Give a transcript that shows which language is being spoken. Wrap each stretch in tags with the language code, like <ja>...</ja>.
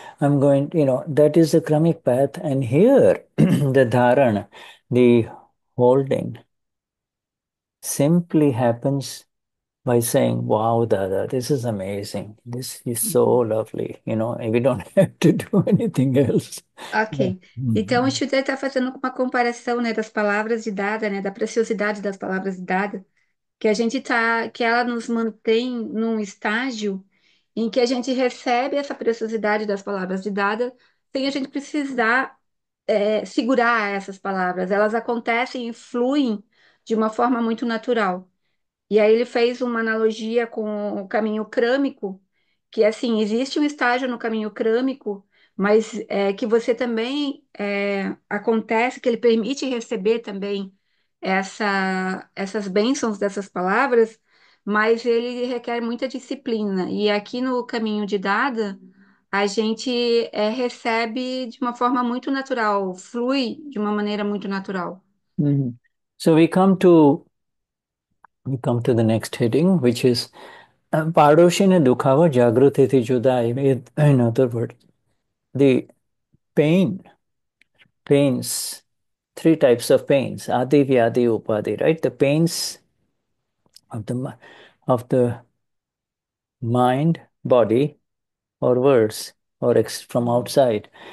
<en>I'm going, you know, that is the karmic path. And here, the dharana, the holding, simply happens by saying, wow, Dada, this is amazing. This is so lovely. You know, and we don't have to do anything else.</en> <pt>Ok, então o Schirley está fazendo uma comparação, né, das palavras de Dada, né, da preciosidade das palavras de Dada, que ela nos mantém num estágio em que a gente recebe essa preciosidade das palavras de Dada sem a gente precisar segurar essas palavras. Elas acontecem e fluem de uma forma muito natural. E aí ele fez uma analogia com o caminho crâmico, que assim, existe um estágio no caminho crâmico, mas é que você também acontece, que ele permite receber também essas bênçãos dessas palavras, mas ele requer muita disciplina. E aqui no caminho de Dada, a gente recebe de uma forma muito natural, flui de uma maneira muito natural.</pt> <en>So we come to the next heading, which is Parushina Dukhava Jagrutiti Judai. In other words, the pains three types of pains, adi, vyadi, upadi, right? The pains of the mind, body, or words, or from outside.</en>